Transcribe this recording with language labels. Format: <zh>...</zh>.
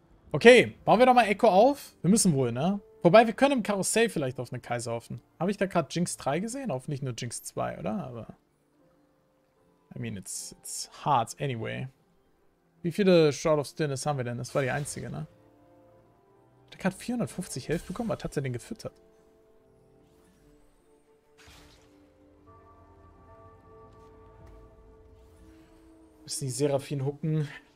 <de>Okay, bauen wir doch mal Echo auf. Wir müssen wohl, ne? Wobei, wir können im Karussell vielleicht auf eine Kaiser hoffen. Habe ich da gerade Jinx 3 gesehen? Hoffentlich nur Jinx 2, oder?</de> <en>Aber I mean, it's hard anyway.</en> <de>Wie viele Shroud of Stillness haben wir denn? Das war die einzige, ne? Hat er gerade 450 Health bekommen? Was hat er denn gefüttert? Müssen die Seraphim hooken.</de>